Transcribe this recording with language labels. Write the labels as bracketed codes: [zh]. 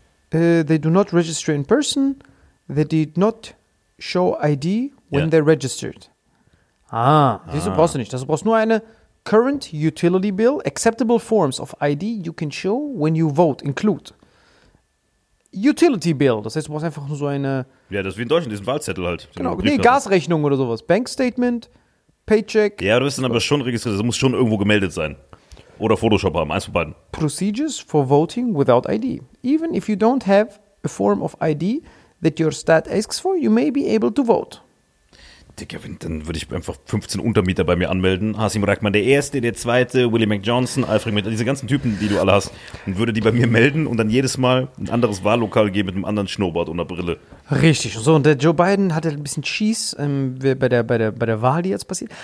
[en] They do not register in person. They did not show ID when they registered. [de] Wieso brauchst du nicht? Du brauchst nur eine [en] Current Utility Bill. Acceptable forms of ID you can show when you vote include. Utility Bill. [de] Das heißt, du brauchst einfach nur so eine... Ja, das ist wie in Deutschland, diesen Wahlzettel halt. Genau, Gasrechnung oder sowas. [en] Bank Statement, Paycheck. [de] Ja, du bist dann aber schon registriert. Das muss schon irgendwo gemeldet sein. Oder Photoshop haben, eins von beiden. [en] Procedures for voting without ID. Even if you don't have a form of ID that your stat asks for, you may be able to vote. [de] Digga, dann würde ich einfach 15 Untermieter bei mir anmelden. Hasim Rahman, der Erste, der Zweite, Willie McJohnson, Alfred Mitt, diese ganzen Typen, die du alle hast. Und würde die bei mir melden und dann jedes Mal ein anderes Wahllokal gehen mit einem anderen Schnurrbart und einer Brille. Richtig. So, und der Joe Biden hatte ein bisschen Schieß bei der Wahl, die jetzt passiert.